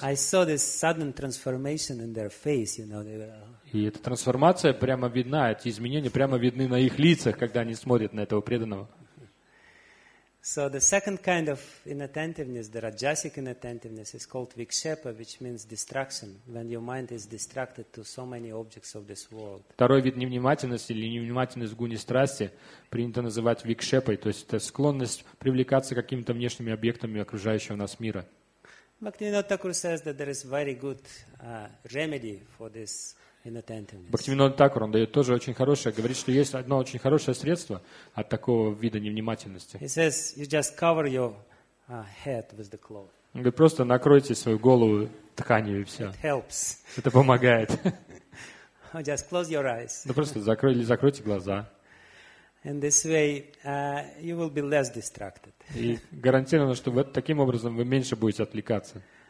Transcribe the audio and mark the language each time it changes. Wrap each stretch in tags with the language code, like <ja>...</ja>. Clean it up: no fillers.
<en>I saw this sudden transformation in their face, you know, they were.</en> <ru>И эта трансформация прямо видна, эти изменения прямо видны на их лицах, когда они смотрят на этого преданного.</ru> <en>So the second kind of inattentiveness, the rajasic inattentiveness, is called vikshepa, which means distraction, when your mind is distracted to so many objects of this world.</en> <ru>Второй вид невнимательности или невнимательность в гуне страсти принято называть викшепой, то есть это склонность привлекаться какими-то внешними объектами окружающего нас мира.</ru> <en>Bhaktivinoda Thakur says that there is very good remedy for this.</en> <ru>Бхактивинода Такур, он дает тоже очень хорошее, говорит, что есть одно очень хорошее средство от такого вида невнимательности.</ru> <en>He says, you just cover your head with the cloth.</en> <ru>Он говорит, просто накройте свою голову тканью и все.</ru> <en>It helps.</en> <ru>Это помогает.</ru> <en>Or just close your eyes.</en> <ru>Ну просто закройте глаза.</ru> <en>In this way, you will be less distracted.</en> <ru>И гарантированно, что таким образом вы меньше будете отвлекаться.</ru>